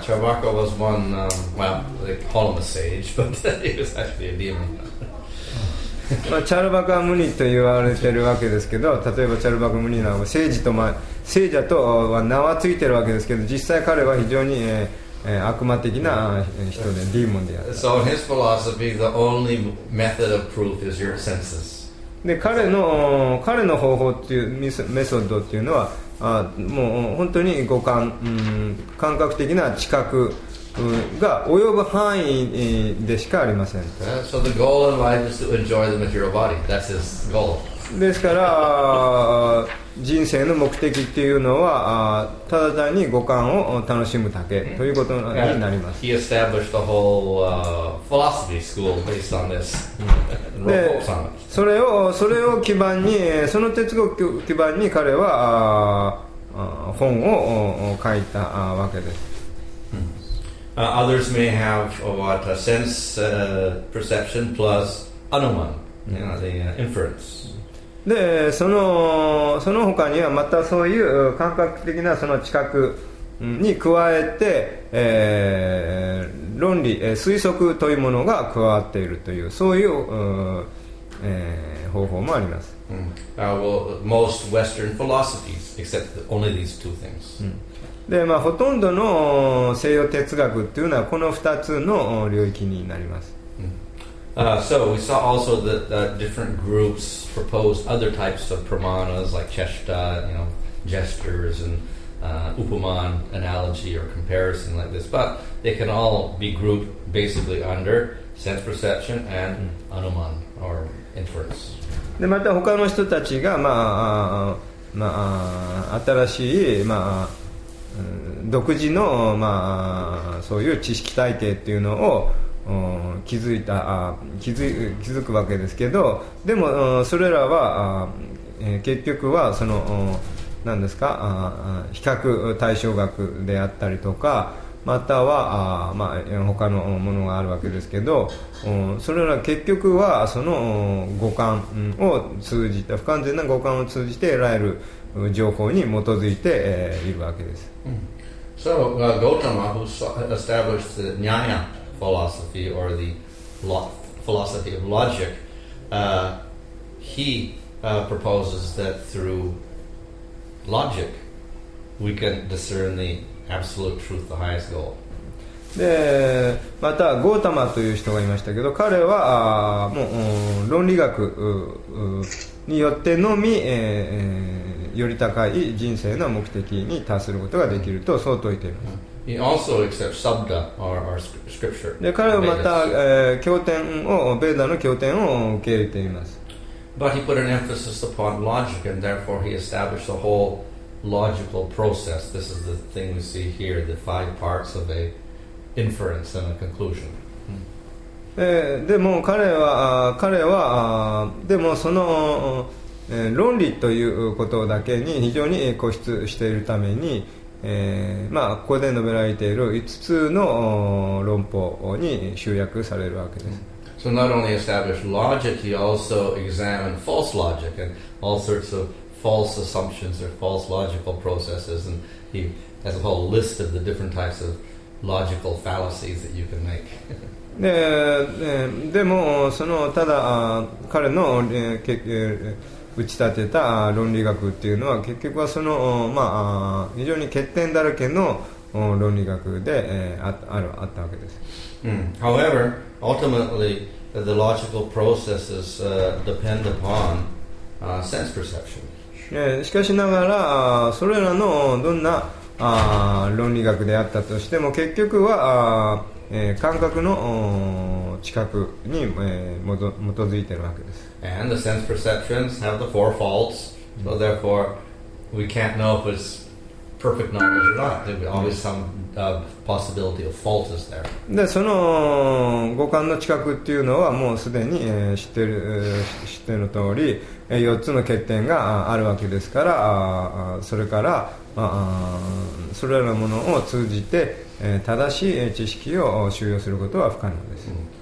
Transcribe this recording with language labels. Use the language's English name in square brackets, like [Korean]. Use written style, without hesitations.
[English] Charvaka was one, well, they call him a sage, but he was actually a demon. [Japanese] まあ、チャルバカムニと言われてるわけですけど、例えばチャルバカムニは聖者と、聖者とは名はついてるわけですけど、実際彼は非常に、悪魔的な人で、ディーモンであった。 [English] So in his philosophy, the only method of proof is your senses. [Japanese] で、彼の方法っていうメソッドっていうのは、もう本当に五感、感覚的な知覚。が及ぶ範囲でしかありません。 [English] So the goal in life is to enjoy the material body. That's his goal. [Japanese] ですから、人生の目的っていうのは、ただ単に五感を楽しむだけということになります。 [English] He established the whole philosophy school based on this. [Japanese] で、それを基盤に、その哲学を基盤に彼は本を書いたわけです。 [English] Others may have what a sense perception plus anuman, you know, the inference. [Japanese] で、その他にはまたそういう感覚的なその知覚に加えて、論理、推測というものが加わっているというそういう、方法もあります。 [English] Well, most Western philosophies accept only these two things. [Japanese] でまあ、ほとんどの西洋哲学っていうのはこの2つの領域になります。 [English] So we saw also that the different groups proposed other types of pramanas like cheshta, you know, gestures and upaman analogy or comparison like this, but they can all be grouped basically under sense perception and anuman or inference. [Japanese] でまた他の人たちがまあまあ新しいまあ独自の、まあ、そういう知識体系っていうのを気づくわけですけど、でもそれらは結局はその何ですか、比較対象学であったりとか、または、まあ、他のものがあるわけですけど、それら結局はその五感を通じて、不完全な五感を通じて得られる情報に基づいて、いるわけです。 [English] So, Gautama, who established the Nyaya philosophy or the philosophy of logic, he proposes that through logic we can discern the absolute truth, the highest goal. [Japanese] で、また、Gautama という人がいましたけど、彼はもう論理学によってのみ、より高い人生の目的に達することができると相当いています。 [English] He also accepts Sabda, our scripture. [Japanese] で、彼はまた、経典を、ベーダの経典を受け入れています。 [English] But he put an emphasis upon logic, and therefore he established a whole logical process. This is the thing we see here, the five parts of a inference and a conclusion. [Japanese] でも彼はでもその論理ということだけに非常に固執しているために、まあ、ここで述べられている5つの論法に集約されるわけです。 [English] So not only established logic, he also examined false logic and all sorts of false assumptions or false logical processes, and he has a whole list of the different types of logical fallacies that you can make. [Japanese] でもそのただ彼の打ち立てた論理学っていうのは結局はその、まあ、非常に欠点だらけの論理学で、あったわけです。 [English] However, ultimately, the logical processes depend upon sense perception. [Japanese] しかしながら、それらのどんな論理学であったとしても、結局は感覚の知覚に基づいているわけです。 [English] And the sense perceptions have the four faults, so therefore, we can't know if it's perfect knowledge or not. There's always some possibility of faults there. [Japanese] で、その五感の知覚っていうのはもうすでに知ってる通り、四つの欠点があるわけですから、それから、それらのものを通じて正しい知識を収容することは不可能です。